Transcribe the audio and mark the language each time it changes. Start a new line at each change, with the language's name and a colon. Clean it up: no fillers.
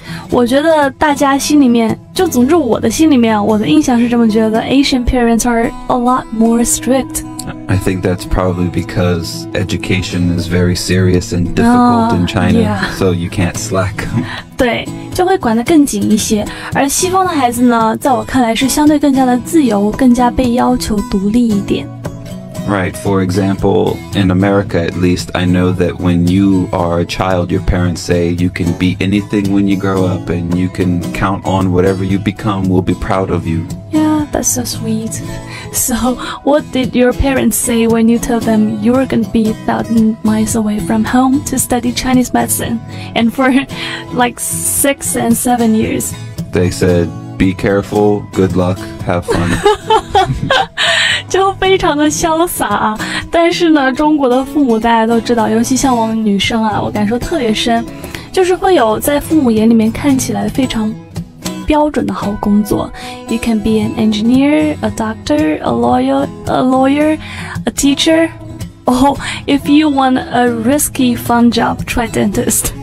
Chinese: 我觉得大家心里面，就总之我的心里面，我的印象是这么觉得 ，
English: Asian parents are a lot more strict. I think that's probably because education is very serious and difficult in China, so you can't slack.
Chinese: 对，就会管得更紧一些。而西方的孩子呢，在我看来是相对更加的自由，更加被要求独立一点。
English: Right, for example, in America at least, I know that when you are a child, your parents say you can be anything when you grow up and you can count on whatever you become, we'll be proud of you. Yeah, that's so sweet. So, what did your parents say when you told them you were going to be 1,000 miles away from home to study Chinese medicine and for like 6 and 7 years? They said, be careful, good luck, have fun.
Chinese: 就非常的潇洒啊，但是呢，中国的父母大家都知道，尤其像我们女生啊，我感受特别深，就是会有在父母眼里面看起来非常标准的好工作。
English: You can be an engineer, a doctor, a lawyer, a teacher, or if you want a risky fun job, try dentist.